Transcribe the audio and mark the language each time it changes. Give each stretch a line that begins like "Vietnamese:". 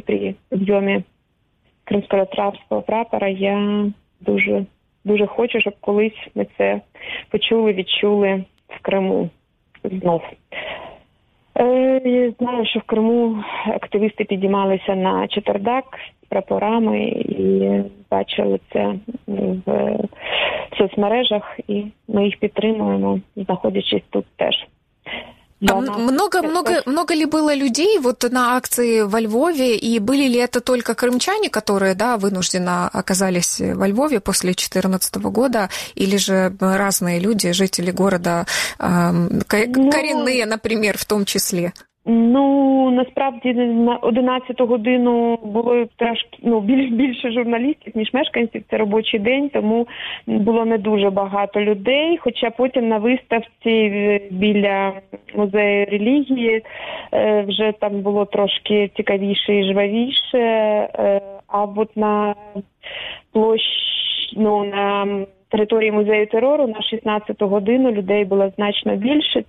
Ukrainian: При зйомі кримсько-татарського прапора я дуже хочу, щоб колись ми це почули, відчули в Криму знов. Я знаю, що в Криму активісти підіймалися на чотирдак – прапорами і бачили це в соцмережах, і ми їх підтримуємо, знаходячись тут теж.
Russian: Много ли было людей вот на акции во Львове, и были ли это только крымчане, которые, да, вынужденно оказались во Львове после 2014 года, или же разные люди, жители города, коренные, например, в том числе?
Ukrainian: Ну, насправді, на 11-ту годину було більше журналістів, ніж мешканців, це робочий день, тому було не дуже багато людей, хоча потім на виставці біля музею релігії вже там було трошки цікавіше і жвавіше, а от на площі, ну, на території музею терору на 16-ту годину людей було значно більше.